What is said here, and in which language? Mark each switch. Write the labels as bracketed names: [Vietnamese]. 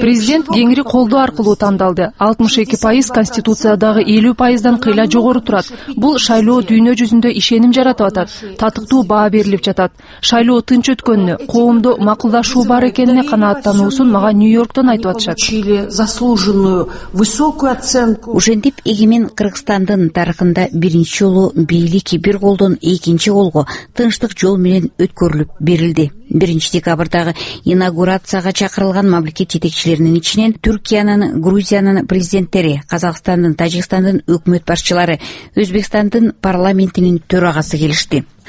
[Kyrgyz] Президент кеңири колдоо аркылуу тандалды. 62% конституциядагы 50%дан кыйла жогору турат. Бул шайлоо дүйнө жүзүндө ишеним жаратып атат. Татыктуу баа берилип жатат. Шайлоо тынч өткөнүнө, коомдо макулдашуу бар экенине канааттануусун мага Нью-Йорктон айтып атышат. [Russian] Заслуженную высокую оценку. [Kyrgyz] Ушинтип эгемен Кыргызстандын тарыхында биринчи жолу бийлик бир колдон экинчи колго тынчтык жол менен өткөрүлүп берилди. 1 декабрдагы инаугурацияга чакырылган мамлекет жетекчилеринин ичинен Түркиянын, Грузиянын президенттери, Казакстандын, Тажикстандын өкмөт башчылары, Өзбекстандын парламентинин төрагасы келишти.